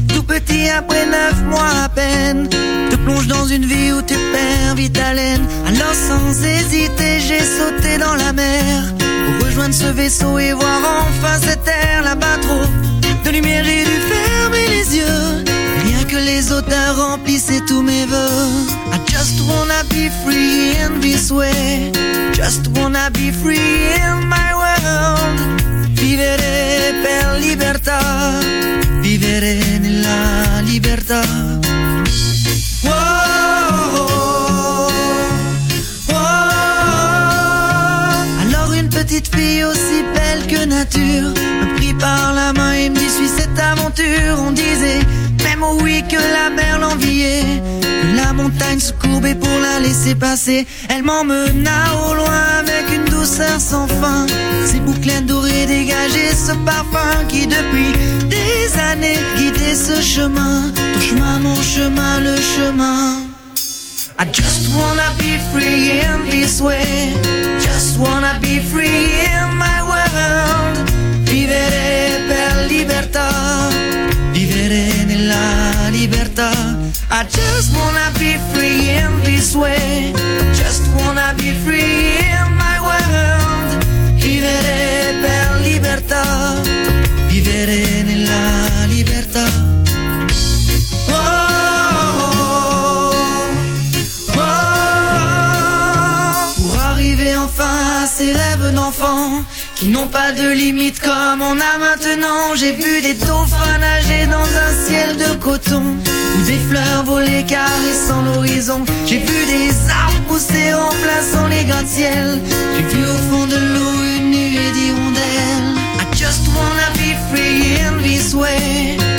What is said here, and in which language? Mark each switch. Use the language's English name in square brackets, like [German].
[French] Petit après 9 mois à peine, te plonge dans une vie où tu perds vite haleine. Alors sans hésiter, j'ai sauté dans la mer pour rejoindre ce vaisseau et voir enfin cette terre. Là-bas trop de lumière, j'ai dû fermer les yeux. Rien que les odeurs remplissaient tous mes voeux. [English] I just wanna be free in this way. Just wanna be free in my world. [Italian] Vivere per libertà. Vivere nella libertà. Oh, oh, oh, oh. [French] Alors une petite fille aussi belle que nature m'a pris par la main et m'y suit cette aventure. On disait même au oui que la mer l'enviait, que la montagne se courbait pour la laisser passer. Elle m'emmena au loin avec une douceur sans fin. Ses boucles dorées dégageaient ce parfum qui depuis des années guidait ce chemin. Ton chemin, mon chemin, le chemin. [English] I just wanna be free in this way. Just wanna be free in my world. [Italian] Vivere per libertà. Vivere nella libertà. [English] I just wanna be free in this way. Just wanna be free in my world. [Italian] Vivere per libertà. Vivere nella libertà. Oh, oh, oh, oh. [French] Pour arriver enfin à ces rêves d'enfant qui n'ont pas de limites comme on a maintenant. J'ai vu des dauphins nager dans un ciel de coton, où des fleurs volaient caressant l'horizon. J'ai vu des arbres pousser en plaçant les gratte-ciel. J'ai vu au fond de l'eau une nuée d'hirondelles. [English] I just wanna be free in this way.